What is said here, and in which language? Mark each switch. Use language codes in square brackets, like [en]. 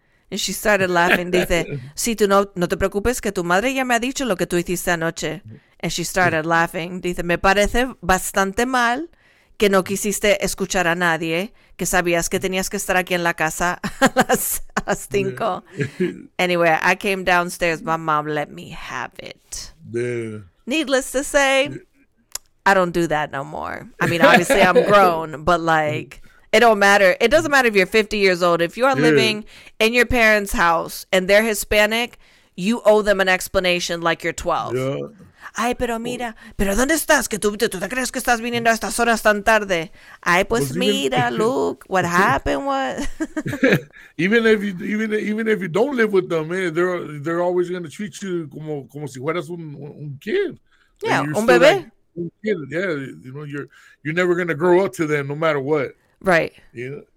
[en] And she started laughing. [es] Dice, si tú no te preocupes que tu madre ya me ha dicho lo que tú hiciste anoche. [en] And she started laughing. [es] Dice, me parece bastante mal que no quisiste escuchar a nadie, que sabías que tenías que estar aquí en la casa a las cinco. [en] Anyway, I came downstairs. My mom let me have it. Needless to say, I don't do that no more. I mean, obviously I'm grown, but like, it don't matter. It doesn't matter if you're 50 years old. If you are living in your parents' house and they're Hispanic, you owe them an explanation like you're 12. Yeah. [es] Ay, pero mira. Pero ¿dónde estás? ¿Que tú te crees que estás viniendo a estas horas tan tarde? Ay, pues mira, [en] look. What happened? What? even if you don't live with them, man, they're always going to treat you [es] como si fueras un [en] kid. Yeah, [es] un bebé. [en] Like, un kid. Yeah, you know, you're never going to grow up to them no matter what. Right. Yeah.